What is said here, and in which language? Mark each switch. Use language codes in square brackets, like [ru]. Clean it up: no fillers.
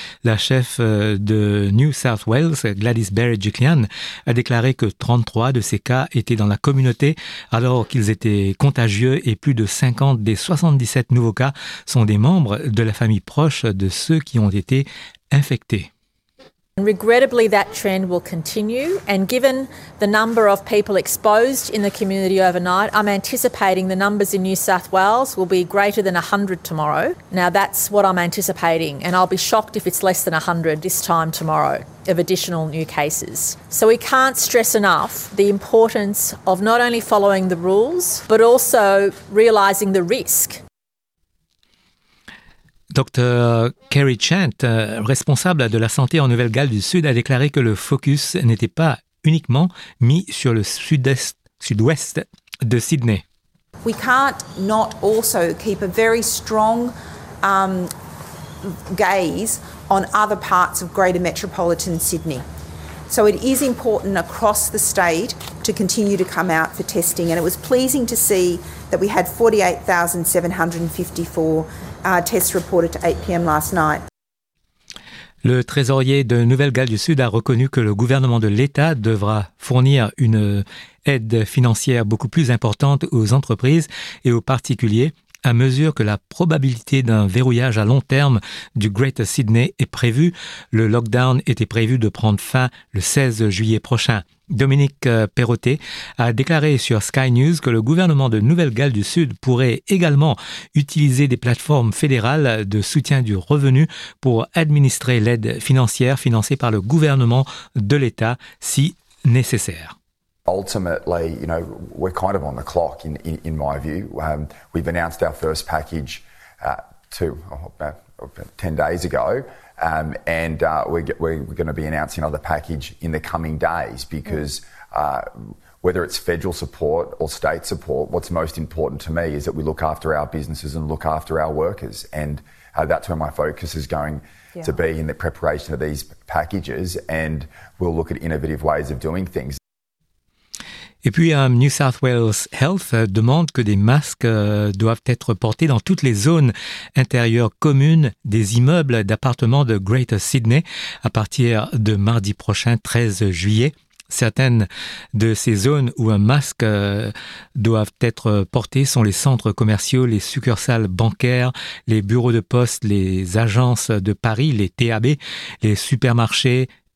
[fr] La chef de New South Wales, Gladys Berejiklian, a déclaré que 33 de ces cas étaient dans la communauté alors qu'ils étaient contagieux et plus de 50 des 77 nouveaux cas sont des membres de la famille proche de ceux qui ont été infectés. [en] Regrettably, that trend will continue, and given the number of people exposed in the community overnight, I'm anticipating the numbers in New South Wales will be greater than 100 tomorrow. Now, that's what I'm anticipating, and I'll be shocked if it's less than 100 this time tomorrow of additional new cases. So we can't stress enough the importance of not only following the rules, but also realizing the risk. [fr] Dr. Kerry Chant, responsable de la santé en Nouvelle-Galles du Sud, a déclaré que le focus n'était pas uniquement mis sur le sud-ouest de Sydney. [en] We can't not also keep a very strong gaze on other parts of Greater Metropolitan Sydney. So it is important across the state to continue to come out for testing, and it was pleasing to see that we had 48,754 tests reported to 8 p.m. last night. [fr] Le trésorier de Nouvelle-Galles du Sud a reconnu que le gouvernement de l'État devra fournir une aide financière beaucoup plus importante aux entreprises et aux particuliers à mesure que la probabilité d'un verrouillage à long terme du Greater Sydney est prévue. Le lockdown était prévu de prendre fin le 16 juillet prochain. Dominique Perrottet a déclaré sur Sky News que le gouvernement de Nouvelle-Galles du Sud pourrait également utiliser des plateformes fédérales de soutien du revenu pour administrer l'aide financière financée par le gouvernement de l'État si nécessaire. [en] Ultimately, you know, we're kind of on the clock in my view. We've announced our first package 10 days ago. We're going to be announcing another package in the coming days because whether it's federal support or state support, what's most important to me is that we look after our businesses and look after our workers. And that's where my focus is going to be in the preparation of these packages. And we'll look at innovative ways of doing things. [fr] Et puis, New South Wales Health demande que des masques doivent être portés dans toutes les zones intérieures communes des immeubles d'appartements de Greater Sydney à partir de mardi prochain, 13 juillet. Certaines de ces zones où un masque doivent être porté sont les centres commerciaux, les succursales bancaires, les bureaux de poste, les agences de Paris, les TAB, les supermarchés.